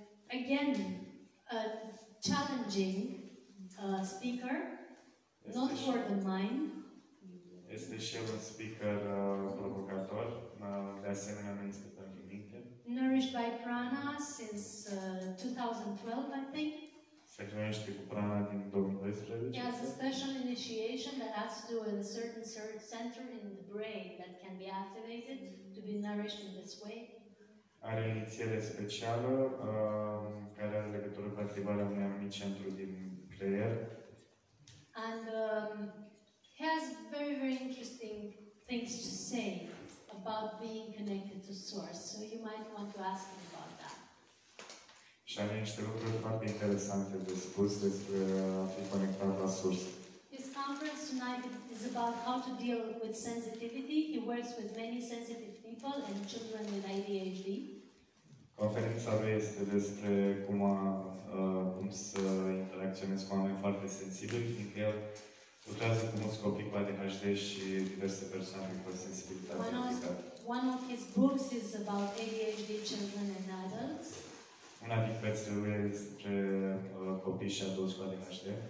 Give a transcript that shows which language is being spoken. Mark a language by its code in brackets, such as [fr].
[en] Again, a challenging speaker, not for the mind. [ro] Este și el un speaker provocator, de asemenea nu este pentru minte. [en] Nourished by Prana since 2012, I think. [ro] Se cunoaște cu Prana din 2012. [en] He has a special initiation that has to do with a certain center in the brain that can be activated to be nourished in this way. [ro] Are o inițiere specială care are legătură cu activarea unui anumit centru din creier. [en] And he has very, very interesting things to say about being connected to source. So you might want to ask him about that. [ro] Și am niște lucruri foarte interesante de spus despre a fi conectat la sursă. [en] His conference tonight is about how to deal with sensitivity. He works with many sensitive people and children with ADHD. [ro] Conferința lui este despre cum cum să interacționez cu oameni foarte sensibili, fiindcă el lucrează cu mulți copii cu ADHD și diverse persoane cu sensibilitate. [en] One of his books is about ADHD children and adults. [ro] Una din cărțile lui este despre copii și adulți cu ADHD.